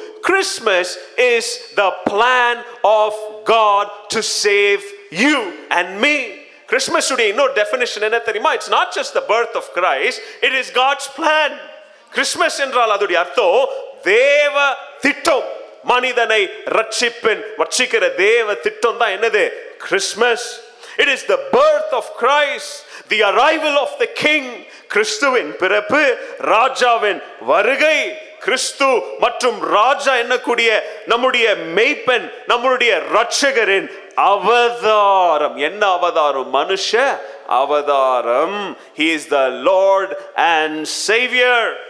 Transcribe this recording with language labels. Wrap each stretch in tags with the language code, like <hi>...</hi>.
<en>Christmas is the plan of God to save you and me.</en> <ta>Christmas உடைய இன்னொரு definition என்ன தெரியுமா?</ta> <en>It's not just the birth of Christ, it is God's plan.</en> <ta>Christmas என்றால் அதோடைய அர்த்தம் தேவ திட்டம் மனிதனை ரட்சிப்பின் ரட்சிக்கிற தேவ திட்டம் தான் என்னது Christmas.</ta> <en>It is the birth of Christ, the arrival of the King.</en> <ta>கிறிஸ்துவின் பிறப்பு, ராஜாவின் வருகை, கிறிஸ்து மற்றும் ராஜா என்னக்கூடிய நம்முடைய மெய்ப்பன், நம்முடைய ரட்சகரின் அவதாரம். என்ன அவதாரம்? மனுஷ அவதாரம்.</ta> <en>He is the Lord and Savior.</en>